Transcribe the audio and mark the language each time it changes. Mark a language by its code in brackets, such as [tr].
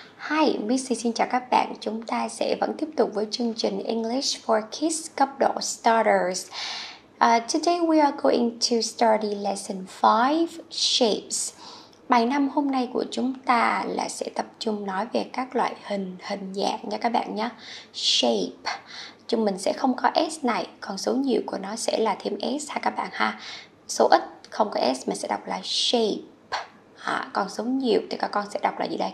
[vi] Hi, Missy xin chào các bạn. Chúng ta sẽ vẫn tiếp tục với chương trình English for Kids cấp độ Starters. [en] Today we are going to study lesson 5, Shapes. [vi] Bài 5 hôm nay của chúng ta là sẽ tập trung nói về các loại hình, hình dạng nha các bạn nhé. Shape. Chúng mình sẽ không có S này, còn số nhiều của nó sẽ là thêm S ha các bạn ha. Số ít không có S mình sẽ đọc là shape. À, con số nhiều thì các con sẽ đọc là gì đây?